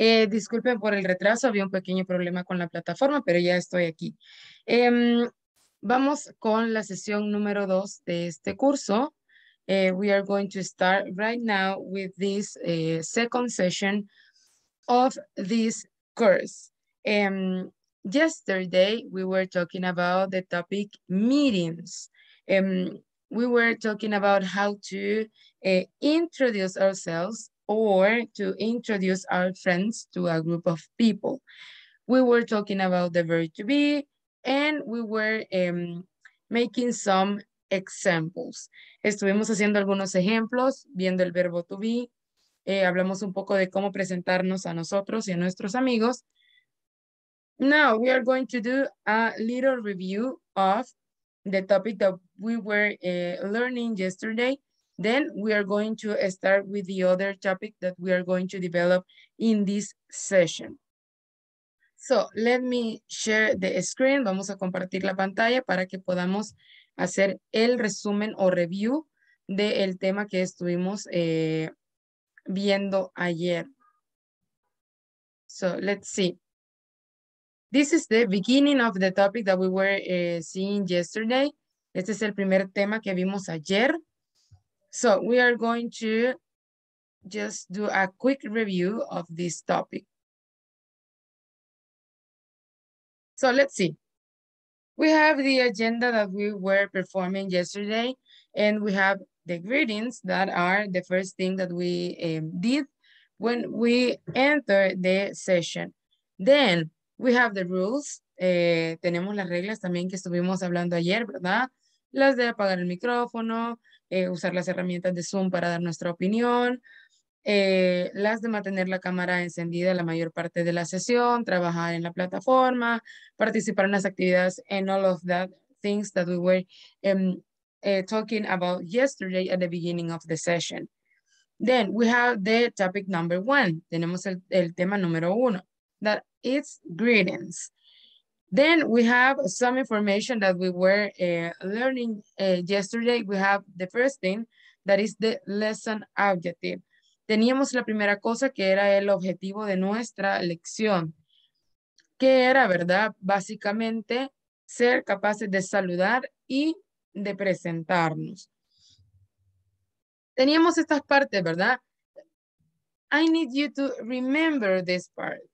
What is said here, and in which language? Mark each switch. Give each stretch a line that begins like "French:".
Spanish: Disculpen por el retraso, había un pequeño problema con la plataforma, pero ya estoy aquí. Vamos con la sesión número 2 de este curso.
English: We are going to start right now with this second session of this course. Yesterday, we were talking about the topic meetings. We were talking about how to introduce ourselves or to introduce our friends to a group of people. We were talking about the verb to be, and we were making some examples.
Spanish: Estuvimos haciendo algunos ejemplos, viendo el verbo to be. Hablamos un poco de cómo presentarnos a nosotros y a nuestros amigos.
English: Now we are going to do a little review of the topic that we were learning yesterday. Then we are going to start with the other topic that we are going to develop in this session. So let me share the screen.
Spanish: Vamos a compartir la pantalla para que podamos hacer el resumen o review del tema que estuvimos viendo ayer.
English: So let's see. This is the beginning of the topic that we were seeing yesterday.
Spanish: Este es el primer tema que vimos ayer.
English: So we are going to just do a quick review of this topic. So let's see. We have the agenda that we were performing yesterday, and we have the greetings that are the first thing that we did when we enter the session. Then we have the rules.
Spanish: Tenemos las reglas también que estuvimos hablando ayer, ¿verdad? Las de apagar el micrófono, usar las herramientas de Zoom para dar nuestra opinión, las de mantener la cámara encendida la mayor parte de la sesión, trabajar en la plataforma, participar en las actividades,
English: and all of that things that we were talking about yesterday at the beginning of the session. Then we have the topic number one.
Spanish: Tenemos el tema número uno.
English: That it's greetings. Then we have some information that we were learning yesterday. We have the first thing, that is the lesson objective.
Spanish: Teníamos la primera cosa que era el objetivo de nuestra lección, que era, ¿verdad? Básicamente, ser capaces de saludar y de presentarnos. Teníamos estas partes, ¿verdad?
English: I need you to remember this part.